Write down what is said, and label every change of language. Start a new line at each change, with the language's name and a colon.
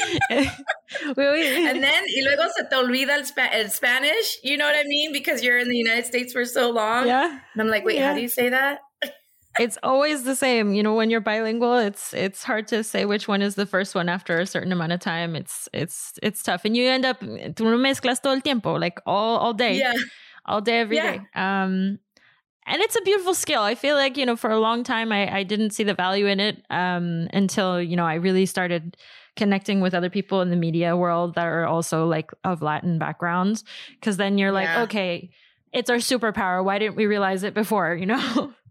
English: And then,
Spanish: y luego se te olvida el Spanish.
English: You know what I mean? Because you're in the United States for so long. Yeah. And I'm like, wait, how do you say that? It's always the same. You know, when you're bilingual, it's hard to say which one is the first one after a certain amount of time. It's tough. And you end up,
Spanish: tú no mezclas todo el tiempo,
English: like all day. Yeah. All day, every day. And it's a beautiful skill. I feel like, you know, for a long time, I didn't see the value in it until, you know, I really started connecting with other people in the media world that are also like of Latin backgrounds. Because then you're like, okay, it's our superpower. Why didn't we realize it before, you know?